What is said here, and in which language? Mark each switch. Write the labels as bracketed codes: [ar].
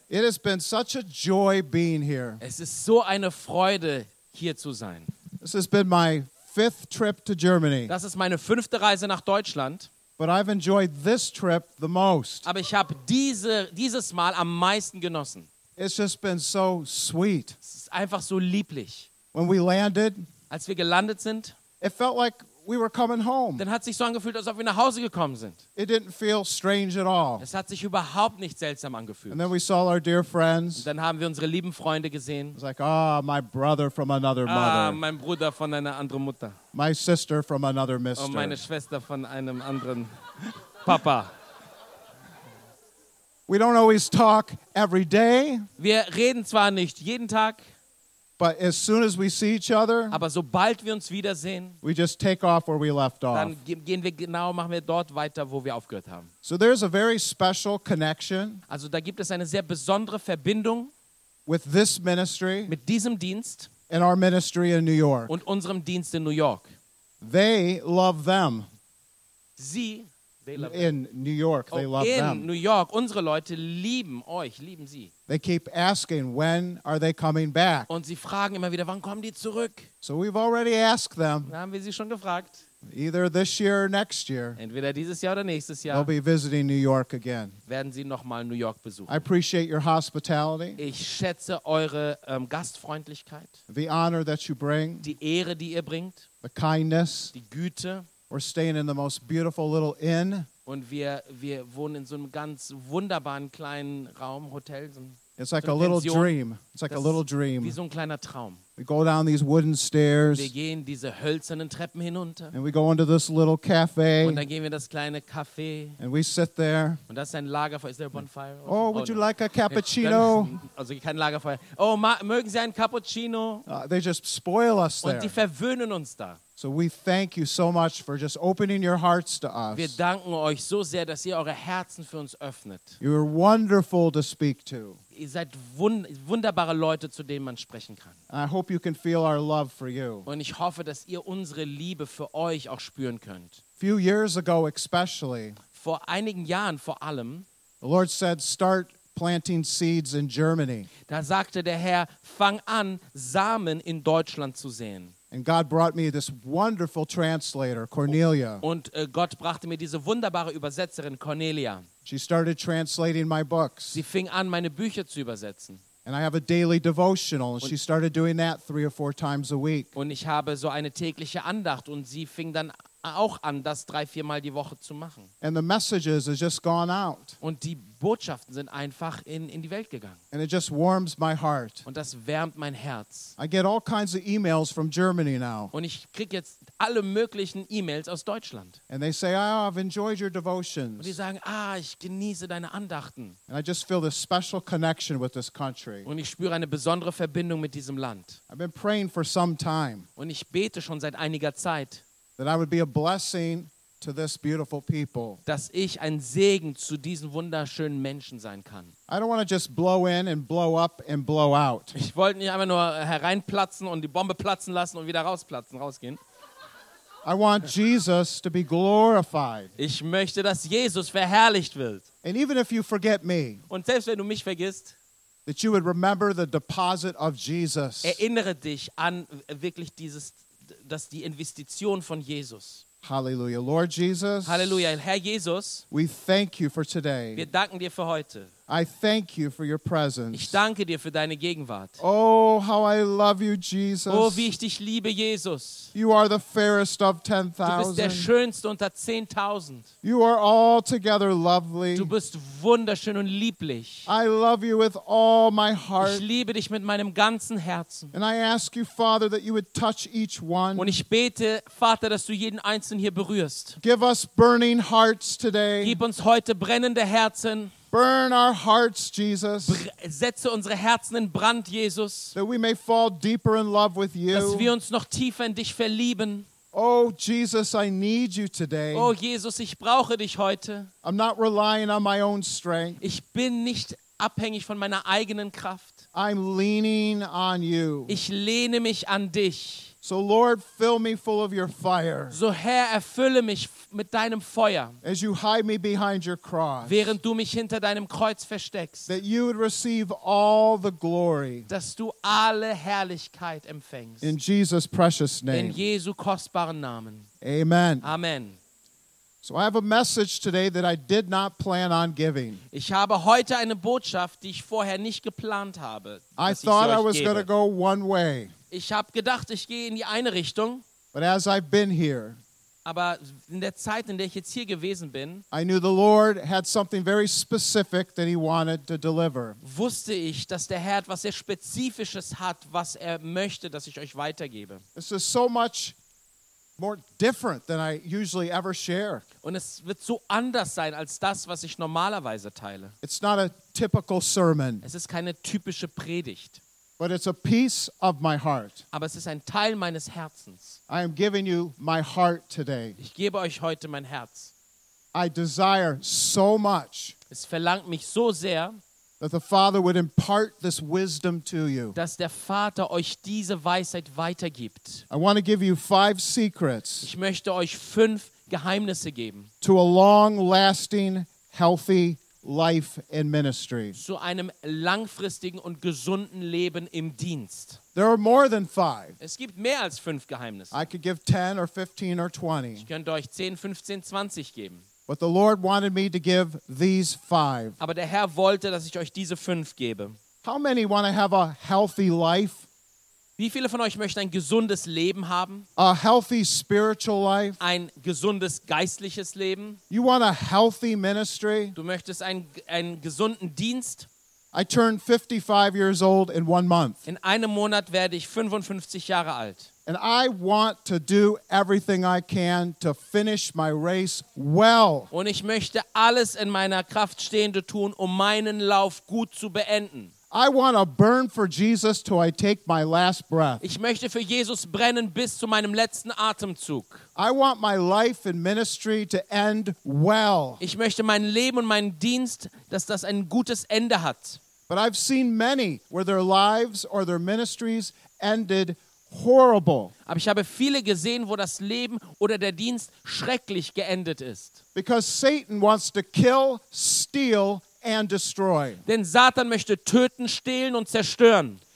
[en] It has been such a joy being here. [de] Es ist so eine Freude, hier zu sein. [en] This has been my fifth trip to Germany. [de] Das ist meine fünfte Reise nach Deutschland. [en] But I've enjoyed this trip the most. [de] Aber ich habe dieses Mal am meisten genossen. [en] It's just been so sweet. [de] Es ist einfach so lieblich. [en] When we landed, [de] als wir gelandet sind, [en] it felt like we were coming home. [de] Dann hat sich so angefühlt, als ob wir nach Hause gekommen sind. [en] It didn't feel strange at all. [de] Es hat sich überhaupt nicht seltsam angefühlt. [en] And then we saw our dear friends. [de] Und dann haben wir unsere lieben Freunde gesehen. [en] It was like, ah, my brother from another mother. [de] Ah, mein Bruder von einer anderen Mutter. [en] My sister from another mister. [de] Und meine Schwester von einem anderen Papa. [en] We don't always talk every day. [de] Wir reden zwar nicht jeden Tag. [en] But as soon as we see each other, [de] aber sobald wir uns wiedersehen, [en] we just take off where we left off. [de] Dann gehen wir genau, machen wir dort weiter, wo wir aufgehört haben. [en] So there's a very special connection. [de] Also da gibt es eine sehr besondere Verbindung [en] with this ministry, [de] mit diesem Dienst, [en] and our ministry in New York, [de] und unserem Dienst in New York. [en] They love them. [de] Sie, [en] they love in them. New York, they love in them. [de] In New York, unsere Leute lieben euch, lieben sie. [en] They keep asking, when are they coming back? [de] Und sie fragen immer wieder, wann kommen die zurück? [en] So we've already asked them. [de] Da haben wir sie schon gefragt. [en] Either this year or next year. [de] Entweder dieses Jahr oder nächstes Jahr. [en] They'll be visiting New York again. [de] Werden sie nochmal New York besuchen. [en] I appreciate your hospitality. [de] Ich schätze eure Gastfreundlichkeit. [en] The honor that you bring. [de] Die Ehre, die ihr bringt. [en] The kindness. [de] Die Güte. [en] We're staying in the most beautiful little inn. [de] Und wir wohnen in so einem ganz wunderbaren kleinen Raum, Hotel. [en] So it's like a little dream. It's like a little dream. [de] Wie so ein kleiner Traum. [en] We go down these wooden stairs. [de] Wir gehen diese hölzernen Treppen hinunter. [en] And we go into this little cafe. [de] Und dann gehen wir in das kleine Café. [en] And we sit there. [de] Und das ist ein Lagerfeuer. [en] Is there a bonfire? Oh, would you like a cappuccino? [de] Also kein Lagerfeuer. Oh, mögen Sie einen Cappuccino? [en] They just spoil us there. [de] Und die verwöhnen uns da. [en] So we thank you so much for just opening your hearts to us. [de] Wir danken euch so sehr, dass ihr eure Herzen für uns öffnet. [en] You are wonderful to speak to. [de] Ihr seid wunderbare Leute, zu denen man sprechen kann. [en] I hope you can feel our love for you. [de] Und ich hoffe, dass ihr unsere Liebe für euch auch spüren könnt. [en] Few years ago especially. [de] Vor einigen Jahren vor allem. [en] The Lord said, start planting seeds in Germany. [de] Da sagte der Herr, fang an, Samen in Deutschland zu säen. [en] And God brought me this wonderful translator, Cornelia. [de] Und Gott brachte mir diese wunderbare Übersetzerin Cornelia. [en] She started translating my books. [de] Sie fing an, meine Bücher zu übersetzen. [en] And I have a daily devotional, and she started doing that 3 or 4 times a week. [de] Und ich habe so eine tägliche Andacht, und sie fing dann auch an, das 3-4 Mal die Woche zu machen. [en] And the messages have just gone out. [de] Und die Botschaften sind einfach in die Welt gegangen. [en] And it just warms my heart. [de] Und das wärmt mein Herz. [en] I get all kinds of emails from Germany now. [de] Und ich kriege jetzt alle möglichen E-Mails aus Deutschland. [en] And they say, oh, I've enjoyed your devotions. [de] Und die sagen, ah, ich genieße deine Andachten. [en] And I just feel this special connection with this country. [de] Und ich spüre eine besondere Verbindung mit diesem Land. [en] I've been praying for some time. [de] Und ich bete schon seit einiger Zeit. [en] That I would be a blessing to this beautiful people. [de] Dass ich ein Segen zu diesen wunderschönen Menschen sein kann. [en] I don't want to just blow in and blow up and blow out. [de] Ich wollte nicht einfach nur hereinplatzen und die Bombe platzen lassen und wieder rausplatzen, rausgehen. [en] I want Jesus to be glorified. [de] Ich möchte, dass Jesus verherrlicht wird. [en] And even if you forget me. [de] Und selbst wenn du mich vergisst. [en] That you would remember the deposit of Jesus. [de] Erinnere dich an wirklich dieses dass die Investition von Jesus. [en] Hallelujah, Lord Jesus. [de] Hallelujah, Herr Jesus. [en] We thank you for today. [de] Wir danken dir für heute. [en] I thank you for your presence. [de] Ich danke dir für deine Gegenwart. [en] Oh, how I love you, Jesus. [de] Oh, wie ich dich liebe, Jesus. [en] You are the fairest of 10,000. [de] Du bist der schönste unter 10,000. [en] You are altogether lovely. [de] Du bist wunderschön und lieblich. [en] I love you with all my heart. [de] Ich liebe dich mit meinem ganzen Herzen. [en] And I ask you, Father, that you would touch each one. [de] Und ich bete, Vater, dass du jeden einzelnen hier berührst. [en] Give us burning hearts today. [de] Gib uns heute brennende Herzen. [en] Burn our hearts, Jesus. [de] Setze unsere Herzen in Brand, Jesus. [en] That we may fall deeper in love with you. [de] Dass wir uns noch tiefer in dich verlieben. [en] Oh, Jesus, I need you today. [de] Oh, Jesus, ich brauche dich heute. [en] I'm not relying on my own strength. [de] Ich bin nicht abhängig von meiner eigenen Kraft. [en] I'm leaning on you. [de] Ich lehne mich an dich. [en] So Lord, fill me full of your fire. [de] So Herr, erfülle mich mit deinem Feuer. [en] As you hide me behind your cross. [de] Während du mich hinter deinem Kreuz versteckst. [en] That you would receive all the glory. [de] Dass du alle Herrlichkeit empfängst. [en] In Jesus' precious name. [de] In Jesu kostbaren Namen. [en] Amen. [de] Amen. [en] So I have a message today that I did not plan on giving. [de] Ich habe heute eine Botschaft, die ich vorher nicht geplant habe. [en] I thought I was going to go one way. [de] Ich habe gedacht, ich gehe in die eine Richtung. [en] But as I've been here, [de] aber in der Zeit, in der ich jetzt hier gewesen bin, [en] I knew the Lord had something very specific that he wanted to deliver. [de] Wusste ich, dass der Herr etwas sehr Spezifisches hat, was er möchte, dass ich euch weitergebe. [en] This is so much more different than I usually ever share. [de] Und es wird so anders sein als das, was ich normalerweise teile. [en] It's not a typical sermon. [de] Es ist keine typische Predigt. [en] But it's a piece of my heart. [de] Aber es ist ein Teil meines Herzens. [en] I am giving you my heart today. [de] Ich gebe euch heute mein Herz. [en] I desire so much. [de] Es verlangt mich so sehr. [en] That the Father would impart this wisdom to you. [de] Dass der Vater euch diese Weisheit weitergibt. [en] I want to give you five secrets. [de] Ich möchte euch fünf Geheimnisse geben. [en] To a long-lasting, healthy life in ministry. [de] Zu einem langfristigen und gesunden Leben im Dienst. [en] There are more than five. [de] Es gibt mehr als fünf Geheimnisse. [en] I could give 10 or 15 or 20. [de] Ich könnte euch 10, 15, 20 geben. [en] But the Lord wanted me to give these five. [de] Aber der Herr wollte, dass ich euch diese fünf gebe. [en] How many want to have a healthy life? [de] Wie viele von euch möchten ein gesundes Leben haben? [en] A healthy spiritual life? [de] Ein gesundes geistliches Leben? [en] You want a healthy ministry? [de] Du möchtest einen gesunden Dienst? [en] I turned 55 years old in 1 month. [de] In einem Monat werde ich 55 Jahre alt. [en] And I want to do everything I can to finish my race well. [de] Und ich möchte alles in meiner Kraft stehende tun, um meinen Lauf gut zu beenden. [en] I want to burn for Jesus till I take my last breath. [de] Ich möchte für Jesus brennen bis zu meinem letzten Atemzug. [en] I want my life and ministry to end well. [de] Ich möchte mein Leben und meinen Dienst, dass das ein gutes Ende hat. [en] But I've seen many where their lives or their ministries ended horrible. [de] Aber ich habe viele gesehen, wo das Leben oder der Dienst schrecklich geendet ist. [en] Because Satan wants to kill, steal and destroy. [de] Denn Satan möchte töten, stehlen und zerstören.